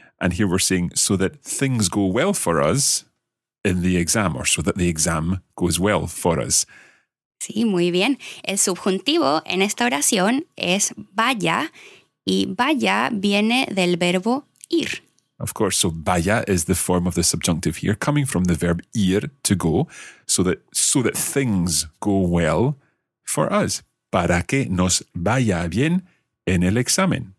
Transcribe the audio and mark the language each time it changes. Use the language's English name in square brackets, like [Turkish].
[English] And here we're saying so that things go well for us in the exam, or so that the exam goes well for us. [Spanish] Sí, muy bien. El subjuntivo en esta oración es vaya, y vaya viene del verbo ir. [English] Of course, so vaya is the form of the subjunctive here, coming from the verb ir, to go, so that things go well for us. [Spanish] Para que nos vaya bien en el examen.